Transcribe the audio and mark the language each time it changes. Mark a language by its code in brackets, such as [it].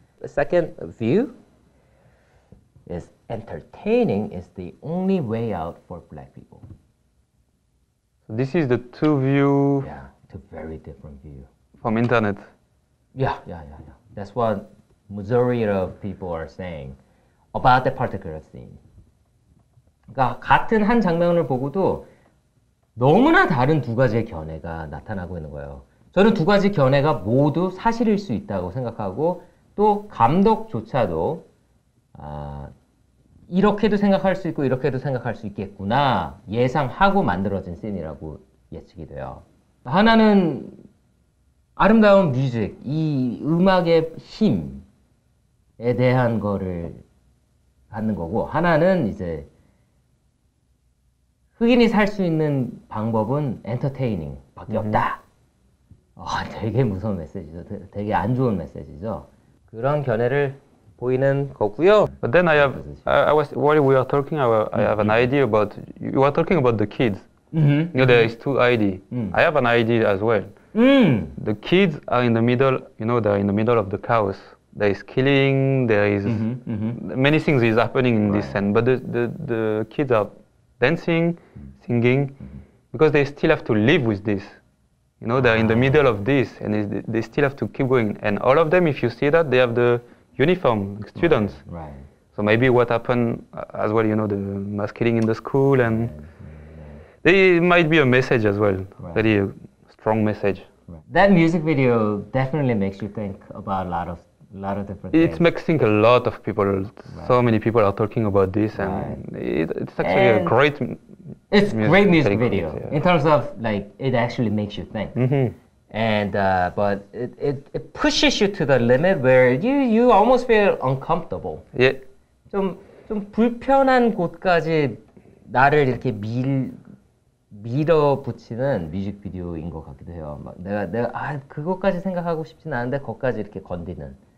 [en] The second view is entertaining is the only way out for black people. So this is the two view. Yeah, it's a very different view. From internet. Yeah. That's what majority of people are saying about the particular scene. [ko] 그러니까 같은 한 장면을 보고도 너무나 다른 두 가지의 견해가 나타나고 있는 거예요. 저는 두 가지 견해가 모두 사실일 수 있다고 생각하고 또 감독조차도 이렇게도 생각할 수 있고 이렇게도 생각할 수 있겠구나 예상하고 만들어진 씬이라고 예측이 돼요. 하나는 아름다운 뮤직, 이 음악의 힘에 대한 거를 갖는 거고 하나는 이제 흑인이 살 수 있는 방법은 엔터테이닝밖에 없다. 되게 무서운 메시지죠. 되게 안 좋은 메시지죠. 그런 견해를 보이는 거고요. [en] But then I have, I was, while we are talking, I have an idea about, you are talking about the kids. You know, there is two ideas. I have an idea as well. The kids are in the middle, you know, they're in the middle of the chaos. There is killing, there is, many things is happening in this scene. But the kids are dancing, singing, because they still have to live with this. You know, they're in the middle of this, and they still have to keep going. And all of them, if you see that, they have the uniform, students. Right. So maybe what happened as well, you know, the mass killing in the school, and it might be a message as well, very strong message. Right. That music video definitely makes you think about a lot of different things. It makes think a lot of people. So many people are talking about this, and it's actually and a great. It's a great music video, in terms of, like, it actually makes you think. And, but it pushes you to the limit where you almost feel uncomfortable. [ko] 예. 좀 불편한 곳까지 나를 이렇게 밀어붙이는 뮤직비디오인 것 같기도 해요. 막 내가 그것까지 생각하고 싶진 않은데, 거기까지 이렇게 건드는.